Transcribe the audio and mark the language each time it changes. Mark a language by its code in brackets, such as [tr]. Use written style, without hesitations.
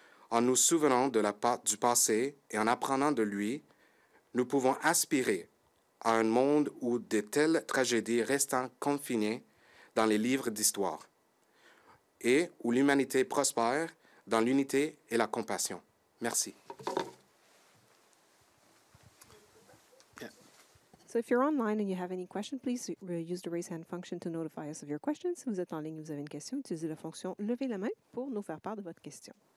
[fr] En nous souvenant du passé et en apprenant de lui, nous pouvons aspirer à un monde où de telles tragédies restent confinées dans les livres d'histoire. et où l'humanité prospère dans l'unité et la compassion. Merci. [en] So if you're online and you have any question, please use the raise hand function to notify us of your questions. [fr] Si vous êtes en ligne et vous avez une question, utilisez la fonction lever la main pour nous faire part de votre question.